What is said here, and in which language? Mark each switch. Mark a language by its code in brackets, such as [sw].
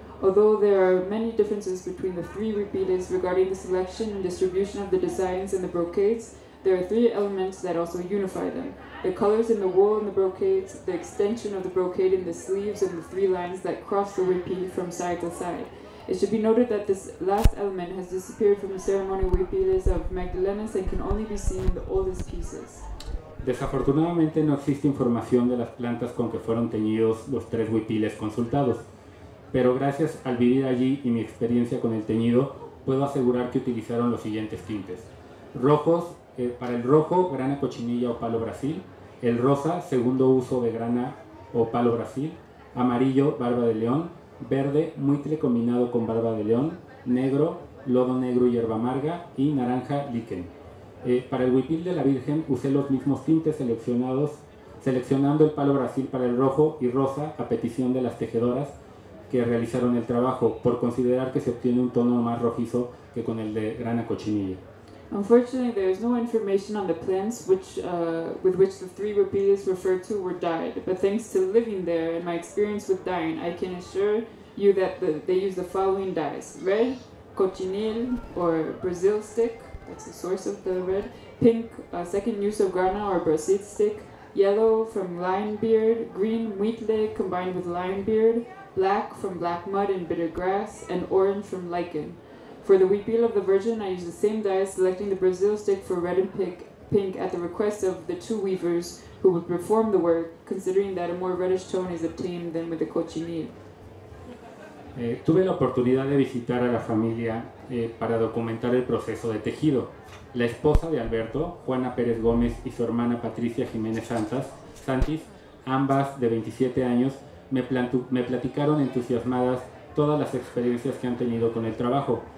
[en] Although there are many differences between the three huipiles regarding the selection and distribution of the designs and the brocades, there are three elements that also unify them. The colors in the wool and the brocades, the extension of the brocade in the sleeves, and the three lines that cross the huipil from side to side. It should be noted that this last element has disappeared from the ceremonial huipiles of Magdalenas and can only be seen in the oldest pieces. [es] Desafortunadamente no existe información de las plantas con que fueron teñidos los tres huipiles consultados, pero gracias al vivir allí y mi experiencia con el teñido, puedo asegurar que utilizaron los siguientes tintes. Rojos, para el rojo, grana cochinilla o palo Brasil, el rosa, segundo uso de grana o palo Brasil, amarillo, barba de león, verde, muitre combinado con barba de león, negro, lodo negro y hierba amarga y naranja, líquen. Para el huipil de la Virgen usé los mismos tintes seleccionados, seleccionando el palo Brasil para el rojo y rosa a petición de las tejedoras que realizaron el trabajo, por considerar que se obtiene un tono más rojizo que con el de grana cochinilla. [en] Unfortunately, there is no information on the plants with which the three huipiles referred to were dyed, but thanks to living there and my experience with dyeing, I can assure you that they use the following dyes: red, cochineal or Brazil stick, that's the source of the red, pink, second use of grana or brasil stick, yellow from lime beard, green muitle combined with lime beard, black from black mud and bitter grass, and orange from lichen. For the huipil of the Virgin, I use the same dye, selecting the brasil stick for red and pink at the request of the two weavers who would perform the work, considering that a more reddish tone is obtained than with the cochineal. [es] Tuve la oportunidad de visitar a la familia para documentar el proceso de tejido. La esposa de Alberto, Juana Pérez Gómez, y su hermana Patricia Jiménez Santis, ambas de 27 años, me platicaron entusiasmadas todas las experiencias que han tenido con el trabajo.